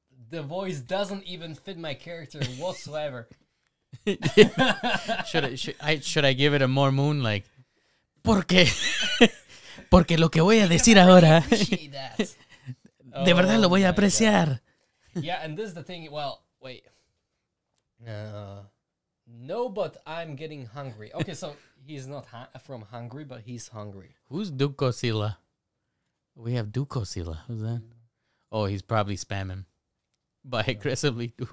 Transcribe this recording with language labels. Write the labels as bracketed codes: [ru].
[en] The voice doesn't even fit my character whatsoever. should I give it a more moon like... [es] Porque lo que voy a decir ahora, de verdad lo voy a apreciar. [en] God. Yeah, and this is the thing, well, wait. No, but I'm getting hungry. Okay, so he's not from Hungary, but he's hungry. Who's Duco Sila? We have Duco Sila. Who's that? Oh, he's probably spamming. But aggressively.